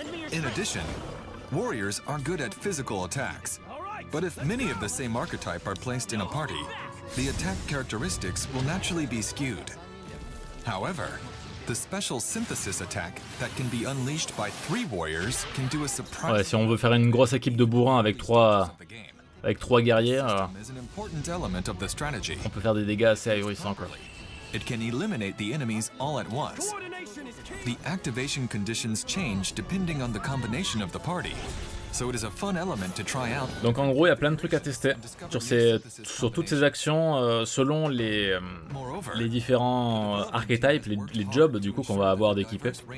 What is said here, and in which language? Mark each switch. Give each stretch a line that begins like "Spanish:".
English: In addition, warriors are good at physical attacks. But if many of the same archetype are placed in a party, the attack characteristics will naturally be skewed. However, the special synthesis attack that can be unleashed by three warriors can do a surprise.
French: Ouais, si on veut faire une grosse équipe de bourrins avec trois guerrières, on peut faire des dégâts assez ahurissants quoi.
English: It can eliminate the enemies all at once. The activation conditions change depending on the combination of the party. So it is a fun element to try out.
French: Donc en gros, il y a plein de trucs à tester sur toutes ces actions selon les différents archetypes, les jobs du coup qu'on va avoir d'équiper.